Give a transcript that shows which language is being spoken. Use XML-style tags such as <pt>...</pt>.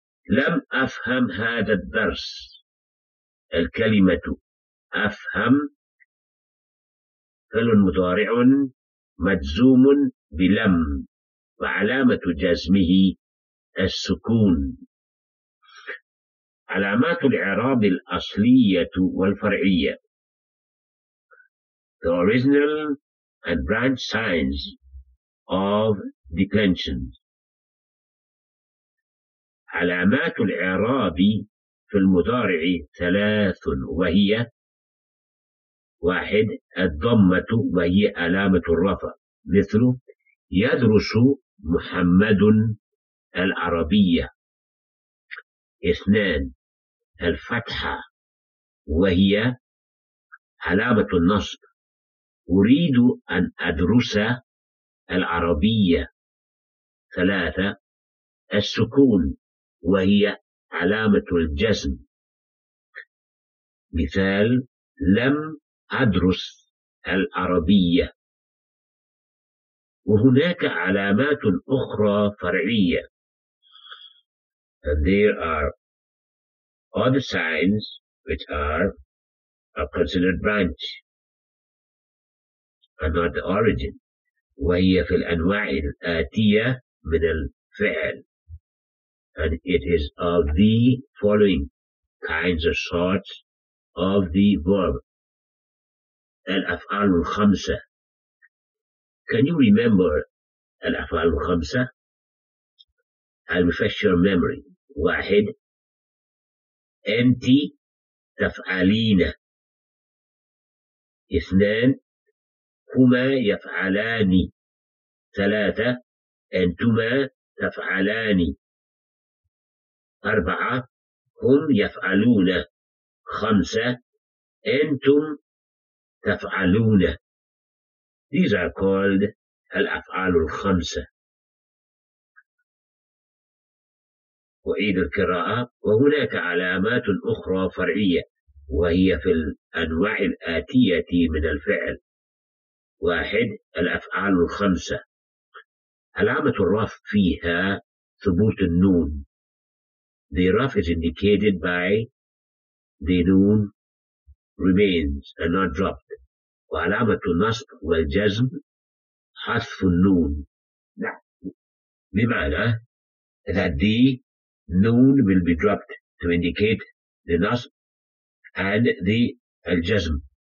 <ar>لم أفهم هذا الدرس. الكلمة أفهم فعل مضارع مجزوم بلم وعلامة جزمه السكون. علامات الإعراب الأصلية والفرعية.</ar> <en>The original and branch signs of declension.</en> <ar>علامات الإعراب في المضارع ثلاث وهي: واحد الضمة وهي علامة الرفع، مثل يدرس محمد العربية. اثنان الفتحة وهي علامة النصب، أريد أن أدرس العربية. ثلاثة السكون وهي علامة الجزم. مثال: لم أدرس العربية. وهناك علامات أخرى فرعية.</ar> <en>And there are other signs which are considered branch and not the origin.</en> <ar>وهي في الأنواع الآتية من الفعل.</ar> <en>And it is of the following kinds or sorts of the verb.</en> <ar>الأفعال الخمسة.</ar> <en>Can you remember الأفعال الخمسة? I'll refresh your memory.</en> <ar>واحد أنت تفعلين. اثنان هما يفعلان. ثلاثة أنتما تفعلان أربعة هم يفعلون خمسة أنتم تفعلون.</ar> <en>These are called الأفعال الخمسة.</en> <ar>أعيد القراءة. وهناك علامات أخرى فرعية وهي في الأنواع الآتية من الفعل. واحد الأفعال الخمسة، علامة الرفع فيها ثبوت النون.</ar> <en>The رفع is indicated by the نون remains and not dropped.</en> <ar>وعلامة النصب والجزم حذف النون.</ar> <en>بمعنى that the noon will be dropped to indicate the nasb and the al-jazm.</en>